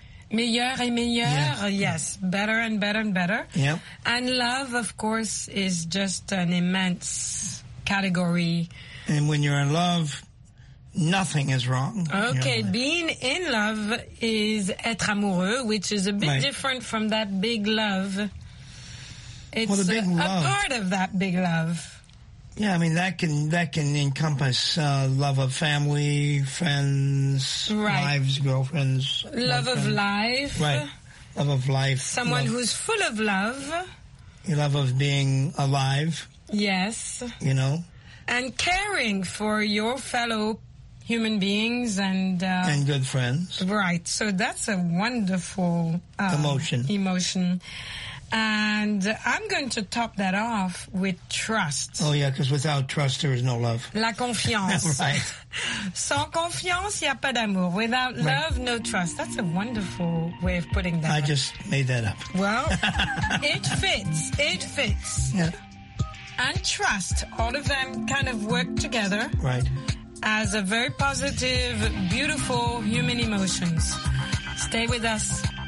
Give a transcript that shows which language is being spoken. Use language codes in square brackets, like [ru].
[fr] Meilleur et meilleur, yes. [en] Better and better and better. Yep. And love, of course, is just an immense category. And when you're in love, nothing is wrong. Okay, being in love is être amoureux, which is a bit different from that big love. It's a part of that big love. Yeah, I mean, that can encompass love of family, friends, wives, girlfriends. Love of life. Right. Love of life. Someone who's full of love. Your love of being alive. Yes. You know. And caring for your fellow human beings and... And good friends. Right. So that's a wonderful... Emotion. And I'm going to top that off with trust. Oh, yeah, because without trust, there is no love. [fr] La confiance. [en] right. [fr] Sans confiance, il n'y a pas d'amour. [en] Without love, no trust. That's a wonderful way of putting that. I just made that up. Well, it fits. Yeah. And trust, all of them kind of work together. Right. As a very positive, beautiful human emotions. Stay with us.